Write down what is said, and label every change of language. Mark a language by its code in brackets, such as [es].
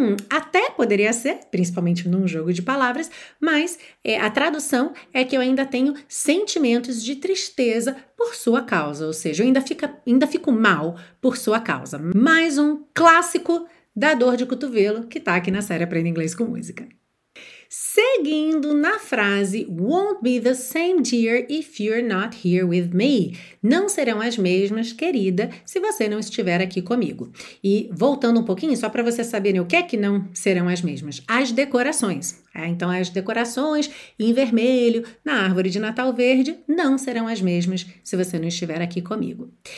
[pt] Até poderia ser, principalmente num jogo de palavras, mas a tradução é que eu ainda tenho sentimentos de tristeza por sua causa, ou seja, eu ainda fico mal por sua causa. Mais um clássico da dor de cotovelo que tá aqui na série Aprenda Inglês com Música. Seguindo na frase, [en] won't be the same dear if you're not here with me. [pt] Não serão as mesmas, querida, se você não estiver aqui comigo. E voltando um pouquinho, só para você saber, né, o que é que não serão as mesmas? As decorações. É, então, as decorações em vermelho, na árvore de Natal verde, não serão as mesmas se você não estiver aqui comigo.